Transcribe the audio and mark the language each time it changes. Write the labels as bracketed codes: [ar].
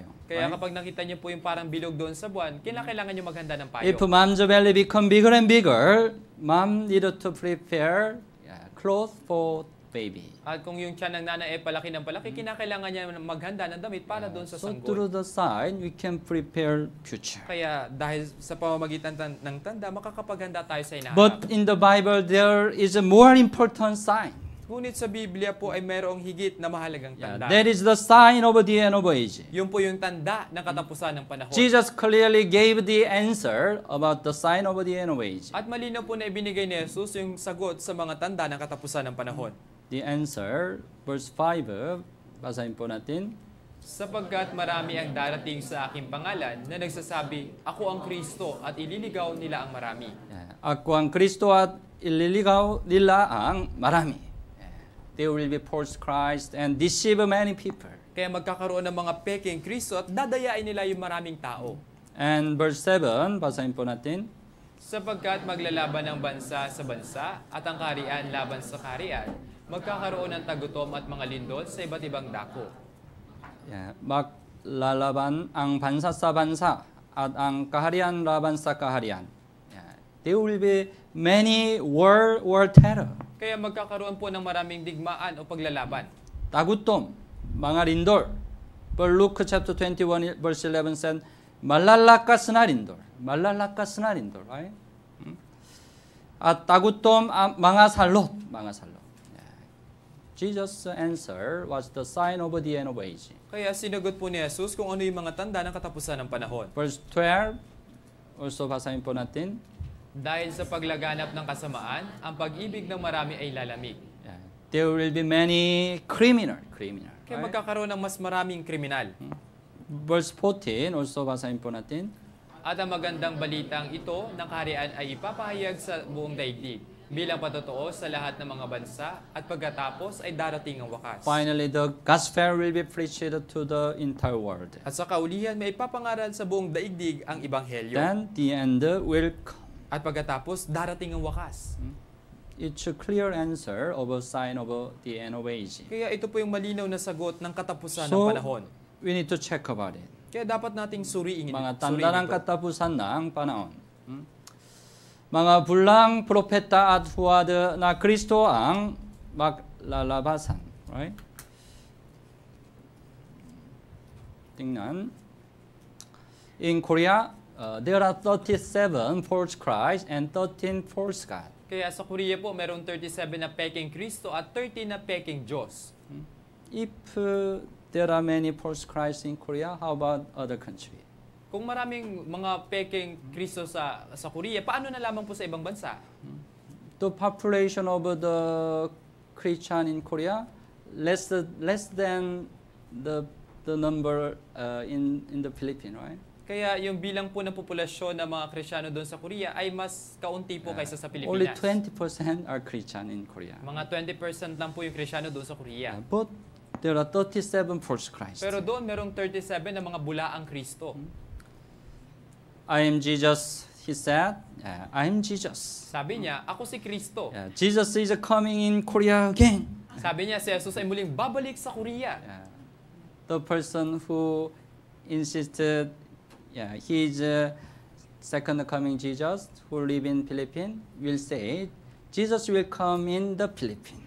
[tl] Kaya kapag nakita niyo po yung parang bilog doon sa buwan, kailangan niyo maghanda ng payo. [en] If mom's belly become bigger and bigger, mom needed to prepare clothes for baby. [tl] At kung yung tiyan ng nanay ay palaki ng palaki, kinakailangan niya maghanda ng damit para doon sa sanggol. [en] So through the sign, we can prepare future. [tl] Kaya dahil sa pamamagitan ng tanda, makakapaghanda tayo sa inaharap. [en] But in the Bible, there is a more important sign. [tl] Ngunit sa Biblia po ay mayroong higit na mahalagang tanda. [en] Yeah, that is the sign of the end of age. [tl] Yun po yung tanda ng katapusan ng panahon. [en] Jesus clearly gave the answer about the sign of the end of age. [tl] At malinaw po na ibinigay ni Jesus yung sagot sa mga tanda ng katapusan ng panahon. [en] The answer, verse 5, [tl] basahin po natin. Sapagkat marami ang darating sa aking pangalan na nagsasabi, "Ako ang Kristo," at ililigaw nila ang marami. [en] Yeah. [tl] Ako ang Kristo at ililigaw nila ang marami. [en] There will be false Christ and deceive many people. [tl] Kaya magkakaroon ng mga peking Kristo at dadayain nila yung maraming tao. [en] And verse 7, [tl] basahin po natin. Sapagkat maglalaban ang bansa sa bansa at ang kaharian laban sa kaharian, magkakaroon ng tagutom at mga lindol sa iba't ibang dako. Yeah, maglalaban ang bansa sa bansa at ang kaharian laban sa kaharian. Yeah. [en] There will be many war terror. [tl] kaya magkakaroon po ng maraming digmaan o paglalaban. Tagutom, mga rindor. [en] Per Luke chapter 21 verse 11 said, [tl] malalakas na rindor. Malalakas na rindor, right? At tagutom mga salot, mga salot. [en] Jesus' answer was the sign of the end of age. [tl] Kaya sinagot po ni Jesus kung ano yung mga tanda ng katapusan ng panahon. [en] Verse 12, also [tl] basahin po natin. Dahil sa paglaganap ng kasamaan, ang pag-ibig ng marami ay lalamig. [en] Yeah. There will be many criminal. [tl] Kaya right? Magkakaroon ng mas maraming kriminal. [en] Verse 14, also [tl] basahin po natin. At ang magandang balitang ito ng kaharian ay ipapahayag sa buong daigdig bilang patotoo sa lahat ng mga bansa at pagkatapos ay darating ang wakas. [en] Finally, the gospel will be preached to the entire world. [tl] At sa kaulihan, may ipapangaral sa buong daigdig ang ebanghelyo. [en] Then the end will come. [tl] At pagkatapos, darating ang wakas. [en] It's a clear answer of a sign of the end of age. [tl] Kaya ito po yung malinaw na sagot ng katapusan [en] so, [tl] ng panahon. [en] We need to check about it. [tl] Kaya dapat nating suriin ito. Mga tanda ng katapusan ng panahon. Mga bulang propeta at huwad na Kristo ang maglalabasan. Right? Tingnan. [en] In Korea, there are 37 false Christ and 13 false God. [tl] Kaya sa Korea po, meron 37 na peking Kristo at 13 na peking Diyos. [en] If there are many false Christ in Korea, how about other countries? [tl] Kung maraming mga peking Kristo sa Korea, paano na lamang po sa ibang bansa? [en] The population of the Christian in Korea less than the number in the Philippines, right? [tl] Kaya yung bilang po ng populasyon ng mga Kristiyano doon sa Korea ay mas kaunti po kaysa sa Pilipinas. [en] Only 20% are Christian in Korea. [tl] Mga 20% lang po yung Kristiyano doon sa Korea. Yeah, [en] but there are 37 false Christ. [tl] Pero doon merong 37 na mga bulaang Kristo. [en] I am Jesus, he said. Yeah, I am Jesus. [tl] Sabi niya, ako si Kristo. [en] Yeah, Jesus is coming in Korea again. [tl] Sabi niya, si Jesus ay muling babalik sa Korea. [en] Yeah. The person who insisted, yeah, he is second coming Jesus who live in Philippines will say, Jesus will come in the Philippines.